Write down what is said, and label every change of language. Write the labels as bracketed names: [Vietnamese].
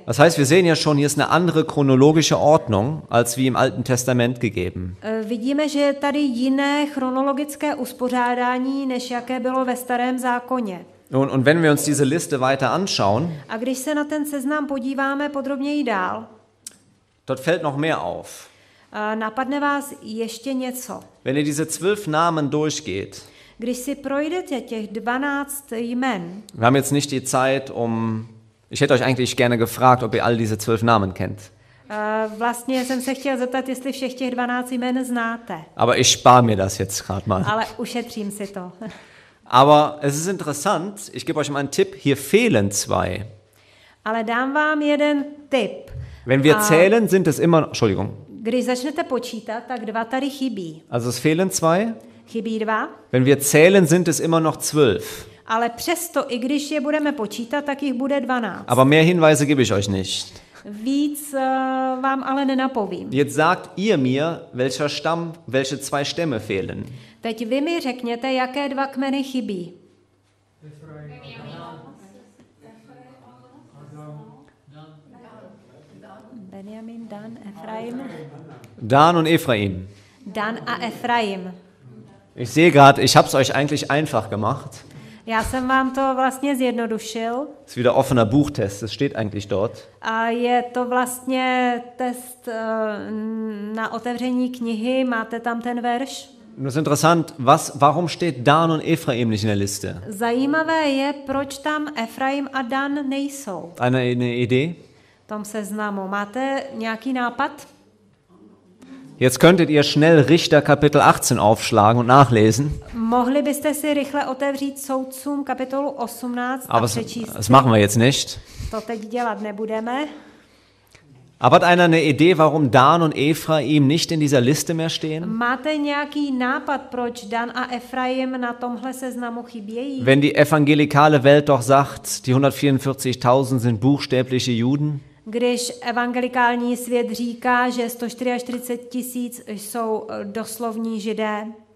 [German] Das heißt, wir sehen ja schon, hier ist eine andere chronologische Ordnung, als wie im Alten Testament gegeben. [Czech] Vidíme, že je tady jiné chronologické uspořádání, než jaké bylo ve Starém zákoně. [German] Und wenn wir uns diese Liste weiter anschauen, [Czech] a když se na ten seznam podíváme podrobněji dál, [German] dort fällt noch mehr auf. [Czech] Napadne vás ještě něco. [German] Wenn ihr diese 12 Namen durchgeht, [Czech] když si projdete těch 12 jmen. [German] Wir haben jetzt nicht die Zeit, ich hätte euch eigentlich gerne gefragt, ob ihr all diese 12 Namen kennt. [Czech] Vlastně jsem se chtěl zeptat, jestli všech těch 12 jmen znáte. [German] Aber ich spare mir das jetzt gerade mal. [Czech] Ale ušetřím si to. [German] Aber es ist interessant, ich gebe euch mal einen Tipp, hier fehlen zwei. [Czech] Ale dám vám jeden tip. [German] Wenn wir zählen, sind es immer, Entschuldigung. [Czech] Když začnete počítat, tak dva tady chybí. [German] Also es fehlen zwei. [Czech] Chybí dva. [German] Wenn wir zählen, sind es immer noch 12. [Czech] Ale přesto, i když je budeme počítat, tak jich bude 12. [German] Aber mehr Hinweise gebe ich euch nicht. [Czech] Víc vám ale nenapovím. [German] Jetzt sagt ihr mir, welcher Stamm, welche zwei Stämme fehlen. [Czech] Teď vy mi řekněte, jaké dva kmeny chybí. Benjamin, Dan, Efraim. [German] Dan und Efraim. [Czech] Dan a Efraim. [German] Ich sehe gerade, ich habe es euch eigentlich einfach gemacht. [Czech] Já jsem vám to vlastně zjednodušil. [German] Es ist wieder offener Buchtest, das steht eigentlich dort. [Czech] A je to vlastně test na otevření knihy, máte tam ten verš. [German] Und es ist interessant, was, warum steht Dan und Ephraim nicht in der Liste? [Czech] Zajímavé je, proč tam Ephraim a Dan nejsou. [German] Eine Idee? [Czech] Tom seznamu. Máte nějaký nápad? [German] Jetzt könntet ihr schnell Richter Kapitel 18 aufschlagen und nachlesen. [Czech] Mohli byste si rychle otevřít Soudcům kapitolu 18 a přečíst. [German] Das machen wir jetzt nicht. [Czech] To teď dělat nebudeme. [German] Aber hat einer eine Idee, warum Dan und Ephraim nicht in dieser Liste mehr stehen? [Czech] Máte nějaký nápad, proč Dan a Ephraim na tomhle seznamu chybějí? [German] Wenn die evangelikale Welt doch sagt, die 144.000 sind buchstäbliche Juden. [Czech] Když evangelikální svět říká, že 144 000 jsou doslovní Židé.